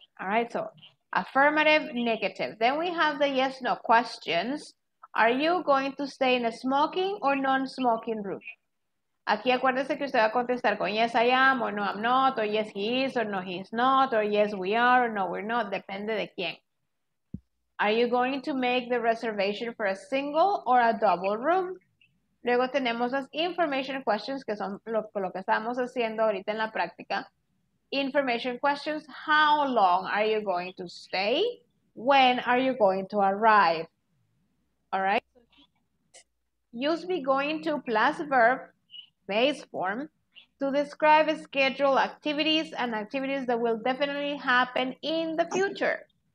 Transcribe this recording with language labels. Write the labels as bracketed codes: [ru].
[en] All right, so affirmative, negative. Then we have the yes, no questions. Are you going to stay in a smoking or non-smoking room? [es] Aquí acuérdese que usted va a contestar con [en] yes I am, or no I'm not, or yes he is, or no he's not, or yes we are, or no we're not, [es] depende de quién. [en] Are you going to make the reservation for a single or a double room? [es] Luego tenemos las information questions, que son lo que estamos haciendo ahorita en la práctica. [en] Information questions, how long are you going to stay? When are you going to arrive? All right? Use be going to plus verb, base form, to describe schedule activities and activities that will definitely happen in the future.